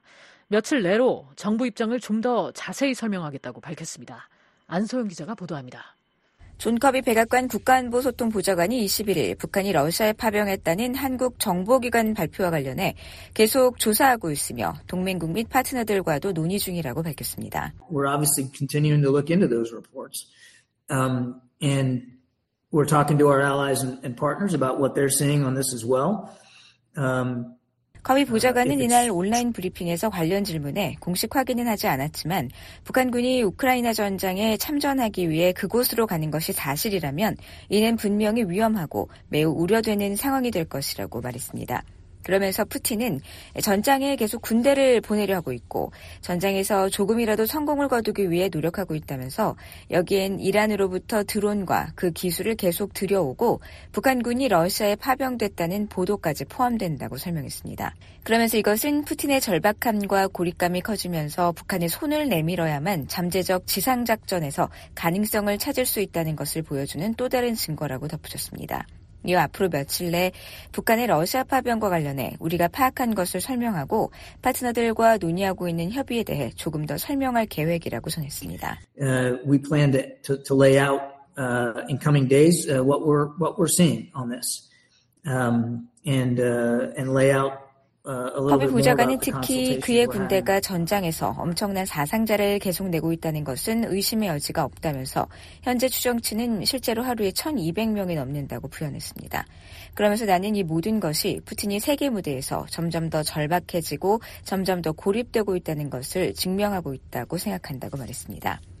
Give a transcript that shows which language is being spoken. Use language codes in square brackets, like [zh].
[ko] 며칠 내로 정부 입장을 좀 더 자세히 설명하겠다고 밝혔습니다. 안소영 기자가 보도합니다. 존 커비 백악관 국가안보 소통 보좌관이 21일 북한이 러시아에 파병했다는 한국 정보기관 발표와 관련해 계속 조사하고 있으며 동맹국 및 파트너들과도 논의 중이라고 밝혔습니다. [en] We're obviously continuing to look into those reports. And we're talking to our allies and partners about what they're seeing on this as well. [ko] 커비 보좌관은 이날 온라인 브리핑에서 관련 질문에 공식 확인은 하지 않았지만 북한군이 우크라이나 전장에 참전하기 위해 그곳으로 가는 것이 사실이라면 이는 분명히 위험하고 매우 우려되는 상황이 될 것이라고 말했습니다. 그러면서 푸틴은 전장에 계속 군대를 보내려 하고 있고 전장에서 조금이라도 성공을 거두기 위해 노력하고 있다면서 여기엔 이란으로부터 드론과 그 기술을 계속 들여오고 북한군이 러시아에 파병됐다는 보도까지 포함된다고 설명했습니다. 그러면서 이것은 푸틴의 절박함과 고립감이 커지면서 북한의 손을 내밀어야만 잠재적 지상작전에서 가능성을 찾을 수 있다는 것을 보여주는 또 다른 증거라고 덧붙였습니다. 이 앞으로 며칠 내 북한의 러시아 파병과 관련해 우리가 파악한 것을 설명하고 파트너들과 논의하고 있는 협의에 대해 조금 더 설명할 계획이라고 전했습니다. [en] We plan to lay out in coming days what we're seeing on this. And lay out [ko] 법의 보좌관은 특히 그의 군대가 전장에서 엄청난 사상자를 계속 내고 있다는 것은 의심의 여지가 없다면서 현재 추정치는 실제로 하루에 1,200명이 넘는다고 부연했습니다. 그러면서 나는 이 모든 것이 푸틴이 세계 무대에서 점점 더 절박해지고 점점 더 고립되고 있다는 것을 증명하고 있다고 생각한다고 말했습니다.